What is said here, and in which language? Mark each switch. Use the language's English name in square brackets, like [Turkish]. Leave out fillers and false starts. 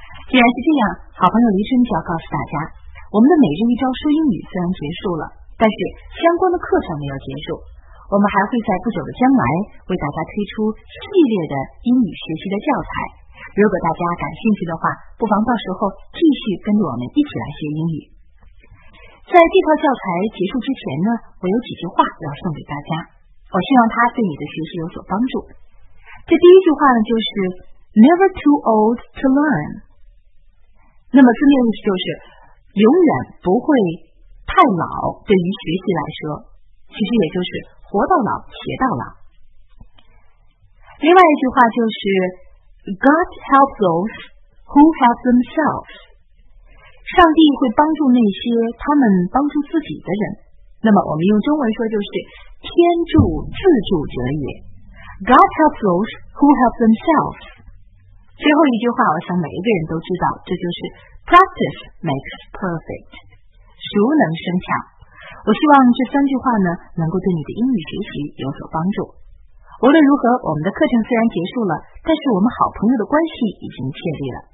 [Chinese] 既然是这样，好朋友黎春就要告诉大家，我们的每日一招说英语虽然结束了，但是相关的课程没有结束，我们还会在不久的将来为大家推出系列的英语学习的教材。如果大家感兴趣的话，不妨到时候继续跟着我们一起来学英语。在这套教材结束之前呢，我有几句话要送给大家，我希望它对你的学习有所帮助。这第一句话呢，就是 [English] Never too old to learn。 [Chinese] 那么字面意思就是永远不会太老，对于学习来说，其实也就是活到老学到老。另外一句话就是 [English] God helps those who help themselves. [Chinese] 上帝会帮助那些他们帮助自己的人。那么我们用中文说就是天助自助者也。 [English] God helps those who help themselves. [Chinese] 最后一句话我想每一个人都知道，这就是 [English] Practice makes perfect. [Chinese] 熟能生巧。我希望这三句话呢能够对你的英语学习有所帮助。无论如何，我们的课程虽然结束了，但是我们好朋友的关系已经确立了。